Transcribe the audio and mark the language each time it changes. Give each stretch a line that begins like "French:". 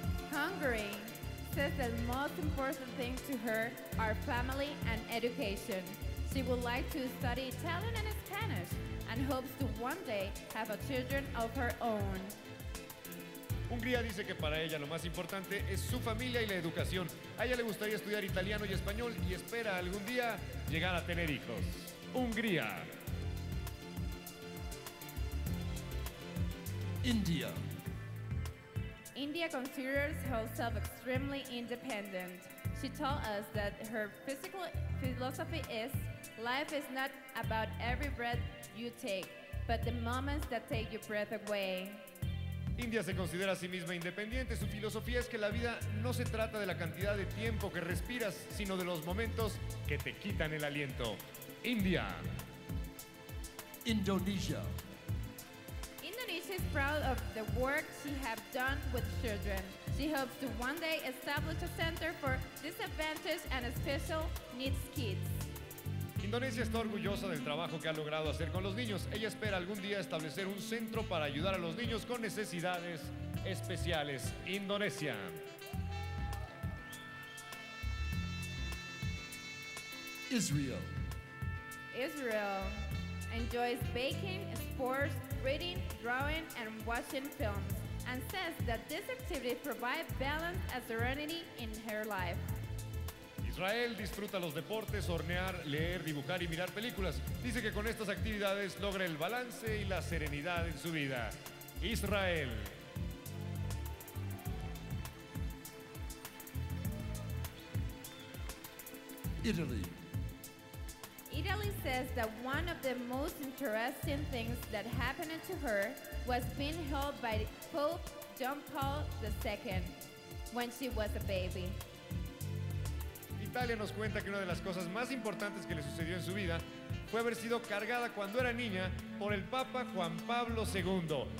English: Hungary says the most important thing to her are family and education. She would like to study Italian and Spanish and hopes to one day have a children of her own.
Spanish: Hungría dice que para ella lo más importante es su familia y la educación. A ella le gustaría estudiar italiano y español y espera algún día llegar a tener hijos. Hungría.
English: India. India considers herself extremely independent. She told us that her physical philosophy is, life is not about every breath you take, but the moments that take your breath away.
Spanish: India se considera a sí misma independiente. Su filosofía es que la vida no se trata de la cantidad de tiempo que respiras, sino de los momentos que te quitan el aliento. India.
English: Indonesia. Indonesia is proud of the work she has done with children. She hopes to one day establish a center for disadvantaged and special needs kids.
Spanish: Indonesia está orgullosa del trabajo que ha logrado hacer con los niños. Ella espera algún día establecer un centro para ayudar a los niños con necesidades especiales. Indonesia.
English: Israel. Israel enjoys baking, sports, reading, drawing, and watching films, and says that this activity provides balance and serenity in her life.
Spanish: Israel disfruta los deportes, hornear, leer, dibujar y mirar películas. Dice que con estas actividades logra el balance y la serenidad en su vida. Israel.
English: Italy. Italy says that one of the most interesting things that happened to her was being held by Pope John Paul II when she was a baby.
Spanish: Italia nos cuenta que una de las cosas más importantes que le sucedió en su vida fue haber sido cargada cuando era niña por el Papa Juan Pablo II.